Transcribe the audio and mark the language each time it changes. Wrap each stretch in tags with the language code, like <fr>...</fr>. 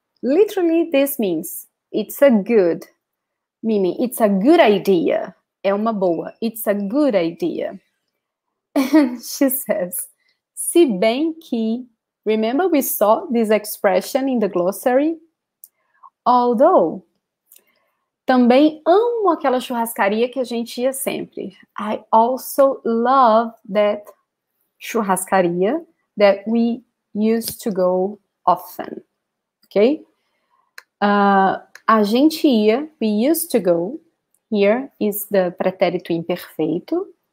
<en>Literally, this means it's a good, meaning it's a good idea.</en> <pt>É uma boa.</pt> <en>It's a good idea. And she says,</en> <pt>se bem que,</pt> <en>remember we saw this expression in the glossary? Although,</en> <pt>também amo aquela churrascaria que a gente ia sempre.</pt> <en>I also love that churrascaria that we used to go often. Okay?</en> <pt>A gente ia,</pt> <en>we used to go. Here is the pretérito imperfeito.</en>